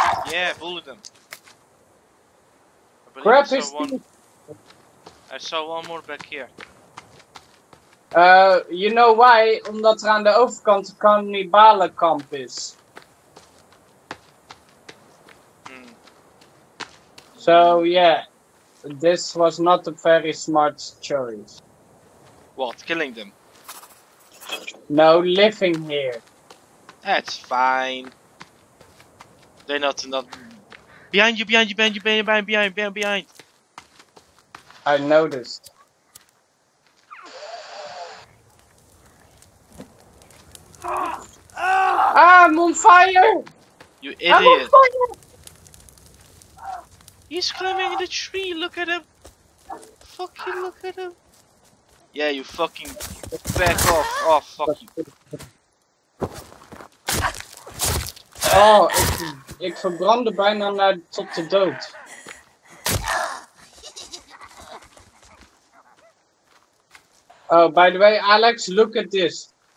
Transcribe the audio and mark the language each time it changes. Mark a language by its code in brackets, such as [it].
[en] Yeah, bullet them. Grab his one. I saw one more back here. You know why? [nl] Omdat er aan de overkant een cannibalenkamp is. [en] So yeah, this was not a very smart choice. What? Killing them? No living here. That's fine. They're not enough. Behind you, behind you, behind you, behind you, behind, behind, behind, behind. I noticed. Ah, I'm on fire! You idiot. I'm on fire! He's climbing in the tree, look at him. Fucking look at him. Yeah, you fucking back off. Oh, fuck you. [nl] Oh, ik verbrandde bijna naar tot de dood. [en] Oh, by the way, Alex, look at this.